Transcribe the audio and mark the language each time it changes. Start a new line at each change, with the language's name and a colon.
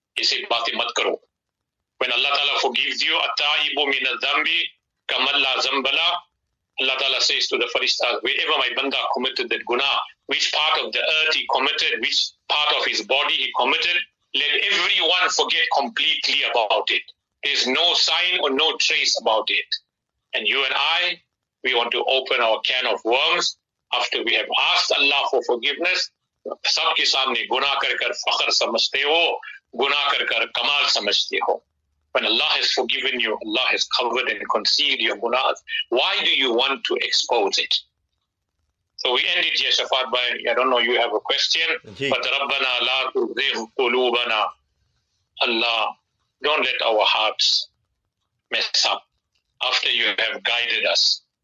English: He said,
Urdu: baatein mat karo.
English: When Allah Ta'ala forgives you,
Arabic: attaibu min al-dhambi kamalla zambala,
English: Allah Ta'ala says to the farishta, wherever my banda committed that guna, which part of the earth he committed, which part of his body he committed, let everyone forget completely about it. There's no sign or no trace about it. And you and I, we want to open our can of worms after we have asked Allah for forgiveness.
Urdu: سب کے سامنے گناہ کر کر فخر سمجھتے ہو گناہ کر کر کمال سمجھتے ہو.
English: When Allah has forgiven you, Allah has covered and concealed your gunas, why do you want to expose it? So we ended here, Shafat bhai. I don't know, you have a question. But
Arabic: Rabbana la tuzigh qulubana.
English: Allah, don't let our hearts mess up after you have guided us.